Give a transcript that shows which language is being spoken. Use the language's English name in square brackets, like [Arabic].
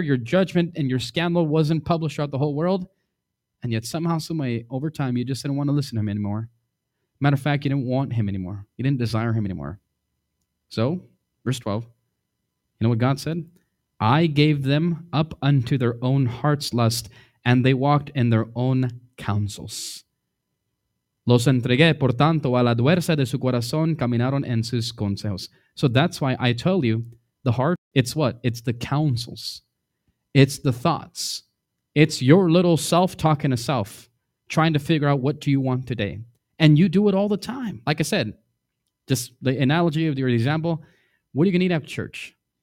[English] Your judgment and your scandal wasn't published throughout the whole world. And yet somehow, some way, over time, you just didn't want to listen to him anymore. Matter of fact, you didn't want him anymore. You didn't desire him anymore. So, verse 12, you know what God said? I gave them up unto their own heart's lust, and they walked in their own counsels. [Spanish] Los entregué, por tanto, a la dureza de su corazón, caminaron en sus consejos. [English] So that's why I tell you, the heart, it's what? It's the counsels. It's the thoughts. It's your little self talking to self, trying to figure out what do you want today. And you do it all the time. Like I said, just the analogy of your example, what are you going to eat after church?